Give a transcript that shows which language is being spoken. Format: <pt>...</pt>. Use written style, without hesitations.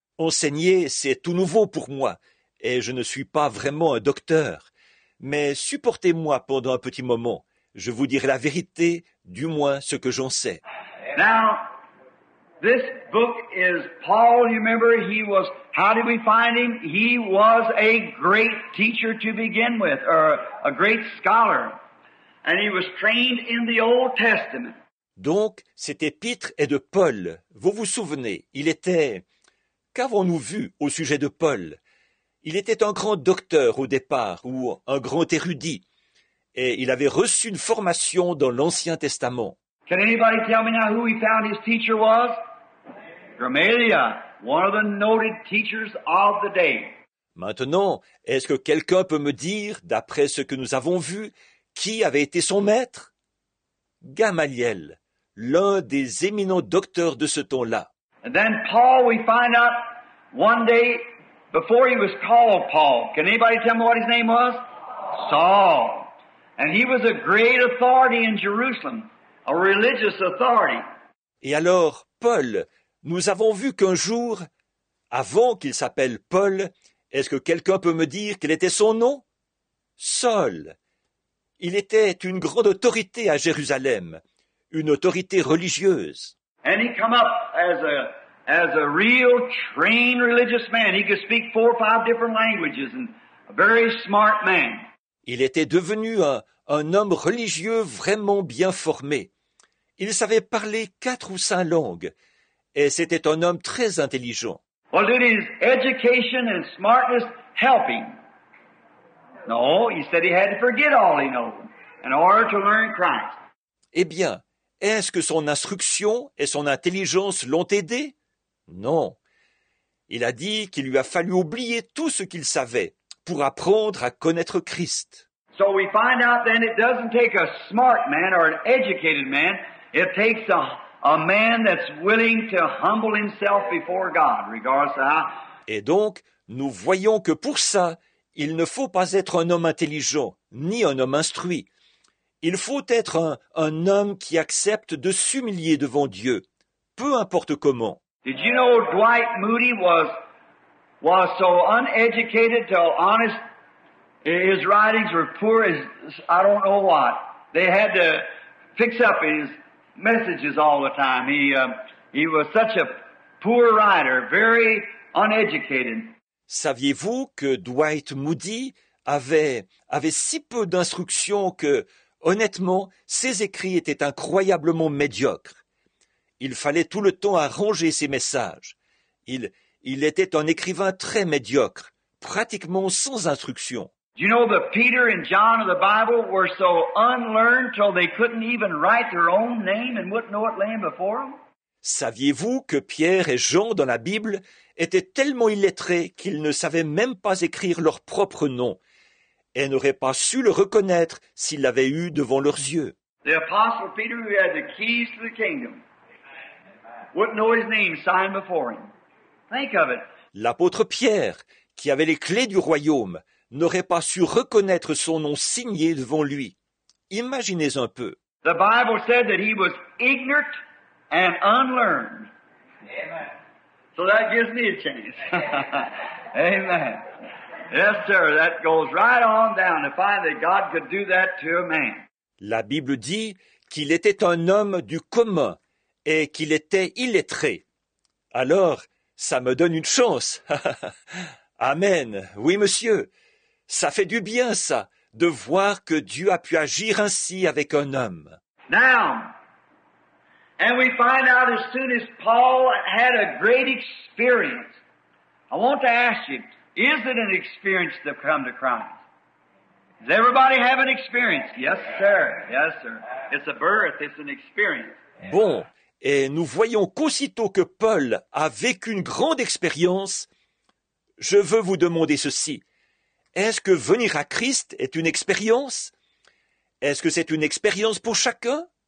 <fr>Enseigner, c'est tout nouveau pour moi, et je ne suis pas vraiment un docteur. Mais supportez-moi pendant un petit moment. Je vous dirai la vérité, du moins ce que j'en sais.</fr> <en>Now, this book is Paul, you remember, how did we find him? He was a great teacher to begin with, or a great scholar. And he was trained in the Old Testament.</en> <fr>Donc, cet épître est de Paul. Vous vous souvenez, il était... Qu'avons-nous vu au sujet de Paul? Il était un grand docteur au départ, ou un grand érudit, et il avait reçu une formation dans l'Ancien Testament.</fr> <en>Can anybody tell me now who he found his teacher was? Gamaliel, one of the noted teachers of the day.</en> <fr>Maintenant, est-ce que quelqu'un peut me dire, d'après ce que nous avons vu, qui avait été son maître? Gamaliel, l'un des éminents docteurs de ce temps-là.</fr> <en>And then Paul, we find out one day before he was called Paul. Can anybody tell me what his name was? Saul. And he was a great authority in Jerusalem, a religious authority.</en> <fr>Et alors, Paul, nous avons vu qu'un jour, avant qu'il s'appelle Paul, est-ce que quelqu'un peut me dire quel était son nom? Saul. Il était une grande autorité à Jérusalem, une autorité religieuse.</fr> <en>And he come up as a real trained religious man. He could speak four or five different languages and a very smart man.</en> <fr>Il était devenu un homme religieux vraiment bien formé. Il savait parler quatre ou cinq langues et c'était un homme très intelligent.</fr> <en>Well, did his education and smartness help him? No, he said he had to forget all he knew in order to learn Christ.</en> <fr>Eh bien, est-ce que son instruction et son intelligence l'ont aidé? Non. Il a dit qu'il lui a fallu oublier tout ce qu'il savait pour apprendre à connaître Christ.</fr> <en>So we find out then it doesn't take a smart man or an educated man, it takes a man that's willing to humble himself before God, regardless of how.</en> <fr>Et donc, nous voyons que pour ça, il ne faut pas être un homme intelligent, ni un homme instruit. Il faut être un homme qui accepte de s'humilier devant Dieu, peu importe comment.</fr> <en>Did you know Dwight Moody was so uneducated till honest his writings were poor as I don't know what. They had to fix up his messages all the time. He was such a poor writer, very uneducated.</en> <fr>Saviez-vous que Dwight Moody avait si peu d'instruction que honnêtement, ses écrits étaient incroyablement médiocres. Il fallait tout le temps arranger ses messages. Il était un écrivain très médiocre, pratiquement sans instruction.</fr> <en>Do you know that Peter and John of the Bible were so unlearned till they couldn't even write their own name and wouldn't know what lay before them?</en> <fr>Saviez-vous que Pierre et Jean dans la Bible étaient tellement illettrés qu'ils ne savaient même pas écrire leur propre nom? Et n'aurait pas su le reconnaître s'il l'avait eu devant leurs yeux.</fr> <en>The apostle Peter who had the keys to the kingdom wouldn't know his name signed before him. Think of it.</en> <fr>L'apôtre Pierre, qui avait les clés du royaume, n'aurait pas su reconnaître son nom signé devant lui. Imaginez un peu.</fr> <en>The Bible said that he was ignorant and unlearned. Amen. So that gives me a chance. Amen. Yes, sir, that goes right on down to find that God could do that to a man.</en> <fr>La Bible dit qu'il était un homme du commun et qu'il était illettré. Alors, ça me donne une chance. Amen. Oui, monsieur. Ça fait du bien, ça, de voir que Dieu a pu agir ainsi avec un homme.</fr> <en>Now, and we find out as soon as Paul had a great experience, I want to ask you, is it an experience to come to Christ? Does everybody have an experience? Yes, sir. Yes, sir. It's a birth. It's an experience.</en> <fr>Bon, et nous voyons qu'aussitôt que Paul a vécu une grande expérience, je veux vous demander ceci. Est-ce que venir à Christ est une expérience? Est-ce que c'est une expérience pour chacun?</fr>